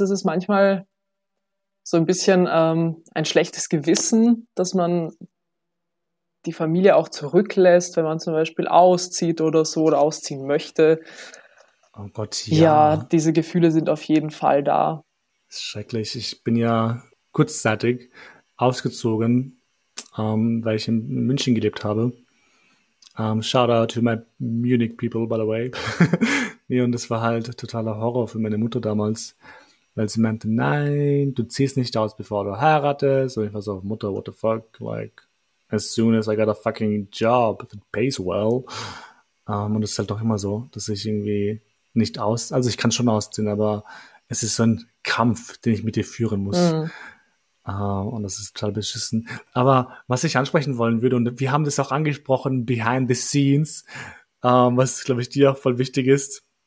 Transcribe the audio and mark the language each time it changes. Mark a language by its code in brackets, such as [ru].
[de] Es ist manchmal so ein bisschen ein schlechtes Gewissen, dass man die Familie auch zurücklässt, wenn man zum Beispiel auszieht oder so oder ausziehen möchte. Oh Gott, ja. Diese Gefühle sind auf jeden Fall da. Schrecklich. Ich bin ja kurzzeitig ausgezogen, weil ich in München gelebt habe. [en] Shout out to my Munich people, by the way. [de] Nee, und das war halt totaler Horror für meine Mutter damals, weil sie meinte, nein, du ziehst nicht aus, bevor du heiratest. Und ich war so, Mutter, [en] what the fuck, like, as soon as I got a fucking job, if it pays well. [de] Und es ist halt doch immer so, dass ich irgendwie nicht aus, also ich kann schon ausziehen, aber es ist so ein Kampf, den ich mit dir führen muss. Und das ist total beschissen. Aber was ich ansprechen wollen würde, und wir haben das auch angesprochen, [en] behind the scenes, [de] was, glaube ich, dir auch voll wichtig ist.